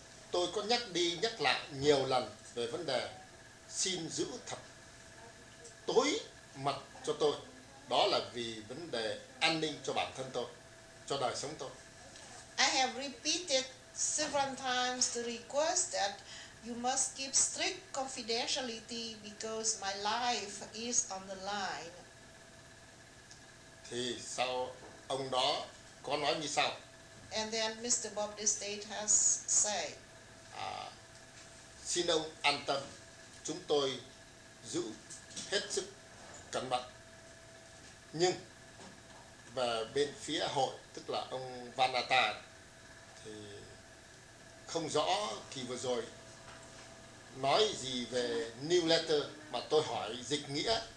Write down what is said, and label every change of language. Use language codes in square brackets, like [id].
[vi] Tôi có nhắc đi nhắc lại nhiều lần về vấn đề xin giữ thật tối mật cho tôi. Đó là vì vấn đề an ninh cho bản thân tôi, cho đời sống tôi. [en] I have repeated several times the request that you must keep strict confidentiality because my life is on the line. [vi] Thì sau ông đó có nói như sau. [en] And then Mr. Bob Destate has said. [vi] Xin ông an tâm, chúng tôi giữ hết sức cẩn mật. Nhưng về bên phía hội, tức là ông Van Ata, thì không rõ kỳ vừa rồi nói gì về new letter mà tôi hỏi dịch nghĩa.